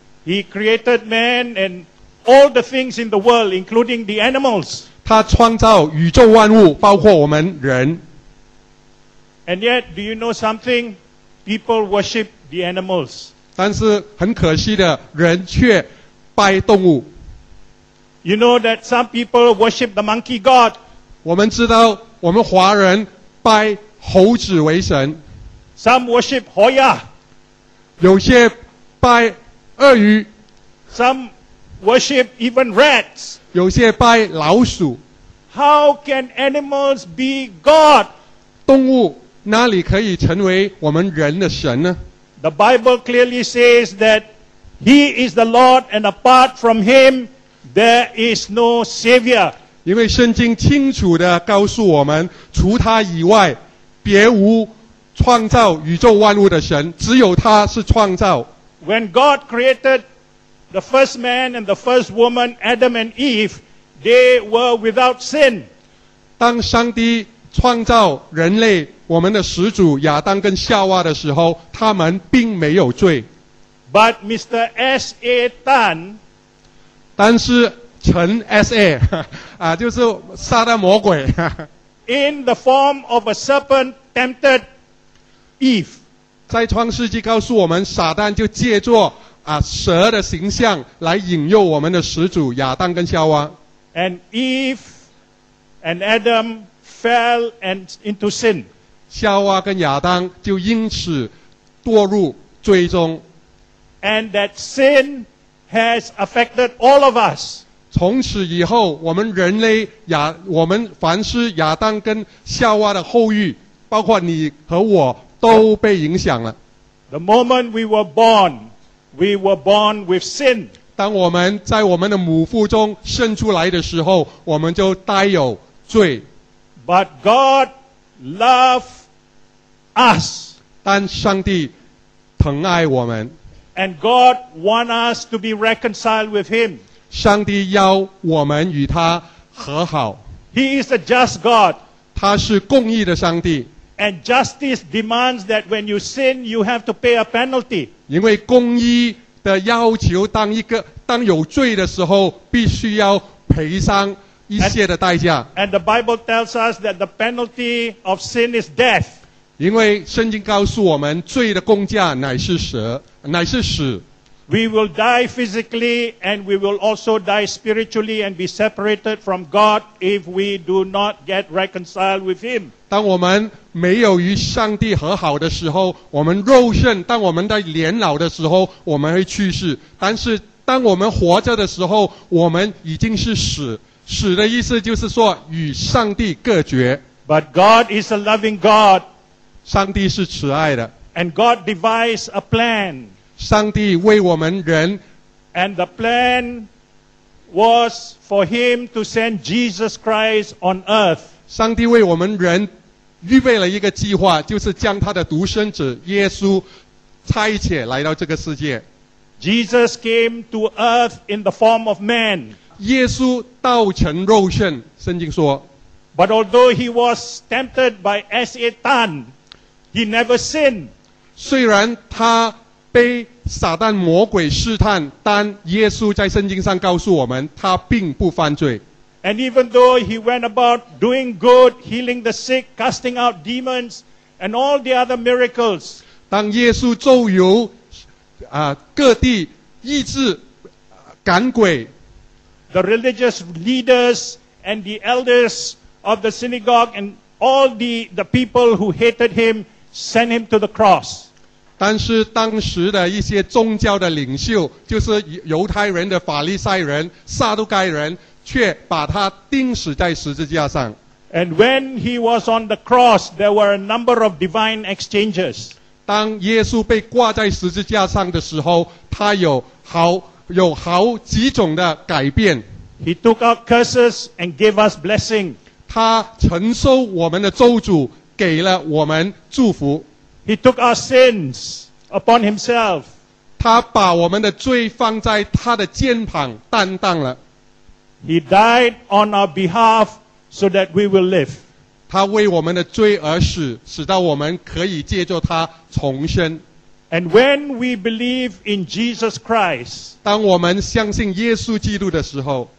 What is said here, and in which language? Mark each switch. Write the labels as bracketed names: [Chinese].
[English] He created man and all the things in the world, including the animals. [Chinese] 他创造宇宙万物，包括我们人。 [English] And yet, do you know something? People worship the animals. [Chinese] 但是很可惜的，人却拜动物。 [English] You know that some people worship the monkey god. [Chinese] 我们知道，我们华人拜猴子为神。 [English] Some worship [Chinese] 猴呀。有些拜鳄鱼。 [English] Some worship even rats. [Chinese] 有些拜老鼠。 [English] How can animals be God? [Chinese] 动物哪里可以成为我们人的神呢？ [English] The Bible clearly says that He is the Lord and apart from Him, there is no Savior. [Chinese] 因为圣经清楚地告诉我们，除他以外，别无创造宇宙万物的神，只有他是创造。 [English] When God created,The first man and the first woman, Adam and Eve, they were without sin. [Chinese] 当上帝创造人类，我们的始祖亚当跟夏娃的时候，他们并没有罪。 [English] But Mr. S. A. Tan, [Chinese] 但是陈 S. A. 就是撒旦魔鬼。 [English] In the form of a serpent, tempted Eve. [Chinese] 在创世纪告诉我们，撒旦就借着蛇的形象来引诱我们的始祖亚当跟夏娃。 [English] And Eve and Adam fell and into sin. [Chinese] 夏娃跟亚当就因此堕入罪中。 [English] And that sin has affected all of us. [Chinese] 从此以后，我们人类亚，我们凡是亚当跟夏娃的后裔，包括你和我，都被影响了。 [English] The moment we were born with sin. [Chinese] 当我们在我们的母腹中生出来的时候，我们就带有罪。 [English] But God loved us. [Chinese] 但上帝疼爱我们。 [English] And God wants us to be reconciled with Him. [Chinese] 上帝要我们与他和好。 [English] He is a just God. [Chinese] 他是公义的上帝。 [English] And justice demands that when you sin, you have to pay a penalty. [Chinese] 因为公义的要求，当一个当有罪的时候，必须要赔上一些的代价。 [English] And the Bible tells us that the penalty of sin is death. [Chinese] 因为圣经告诉我们，罪的工价乃是死，乃是死。 [English] We will die physically, and we will also die spiritually, and be separated from God if we do not get reconciled with Him. [Chinese] 当我们没有与上帝和好的时候，我们肉身，当我们在年老的时候，我们会去世。但是当我们活着的时候，我们已经是死。死的意思就是说与上帝隔绝。 [English] But God is a loving God. [Chinese] 上帝是慈爱的。 [English] And God devised a plan. [Chinese] 上帝为我们人 [English] ，and the plan was for Him to send Jesus Christ on earth. [Chinese] 上帝为我们人预备了一个计划，就是将他的独生子耶稣差遣来到这个世界。 [English] Jesus came to earth in the form of man. [Chinese] 耶稣道成肉身，圣经说。 [English] But although He was tempted by Satan, He never sinned. [Chinese] 虽然他被撒旦魔鬼试探，但耶稣在圣经上告诉我们，他并不犯罪。 [English] And even though he went about doing good, healing the sick, casting out demons, and all the other miracles. [Chinese] 当耶稣周游，各地医治，赶鬼。 [English] The religious leaders and the elders of the synagogue and all the people who hated him sent him to the cross. [Chinese] 但是当时的一些宗教的领袖，就是犹太人的法利赛人、撒都该人，却把他钉死在十字架上。 [English] And when he was on the cross, there were a number of divine exchanges. [Chinese] 当耶稣被挂在十字架上的时候，他有好几种的改变。 [English] He took out curses and gave us blessing. [Chinese] 他承受我们的咒诅，给了我们祝福。 [English] He took our sins upon himself. [Chinese] 他把我们的罪放在他的肩膀担当了。 [English] He died on our behalf so that we will live. [Chinese] 他为我们的罪而死，使到我们可以借着他重生。 [English] And when we believe in Jesus Christ, [Chinese] 当我们相信耶稣基督的时候，